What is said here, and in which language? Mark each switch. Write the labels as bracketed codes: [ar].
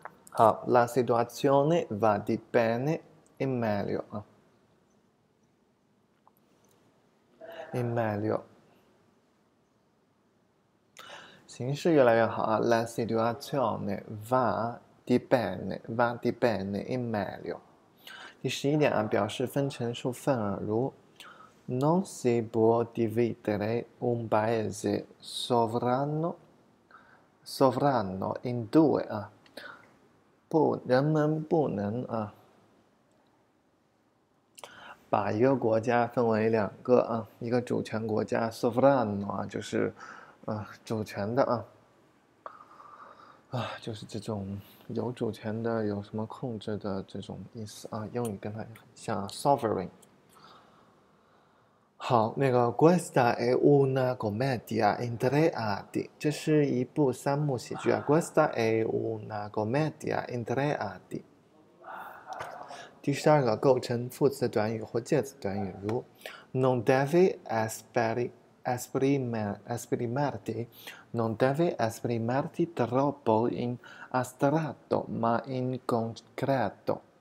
[it] 好，la situazione va di bene in meglio 啊。 [zh] In meglio，形势越来越好啊。 [it] La situazione va di bene in meglio。 [zh] 第11点啊，表示分成数份啊，如 [it] Non si può dividere un paese sovrano in due 啊， [zh] 不，人们不能啊。把一个国家分为两个啊，一个主权国家 sovrano 啊，就是主权的啊，就是这种有主权的、有什么控制的这种意思啊。英语跟它也很像，sovereign。 [it] 好，那个《Questa è una commedia in tre atti》， [zh] 这是一部三幕喜剧啊， [it] 《Questa è una commedia in tre atti》。 [zh] 第十二个构成副词短语或介词短语，如 [it] non devi esprimerti, non devi esprimerti troppo in astratto, ma in concreto.